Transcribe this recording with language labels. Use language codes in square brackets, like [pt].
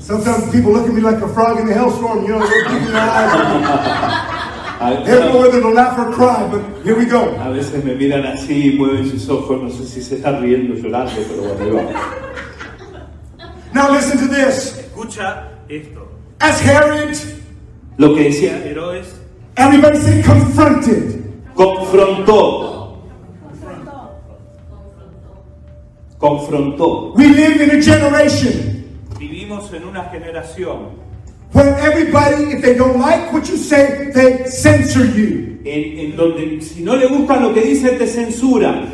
[en] Sometimes people look at me like a frog in the hailstorm, you know, they're keeping their eyes on me. They don't know whether to laugh or cry, but here we go. [es] A veces me miran así y mueven sus ojos. No sé si se están riendo o llorando, pero bueno, ahí va. [en] Now listen to this. [es] Escucha esto. [en] As Herod. [es] Lo que decía Herodes. [en] Everybody say confronted. [es] Confrontó. Confrontó. Confrontó. [en] We live in a generation. [es] Vivimos en una generación. [en] Where everybody, if they don't like what you say, they censor you. [es] En donde si no le gusta lo que dice, te censura.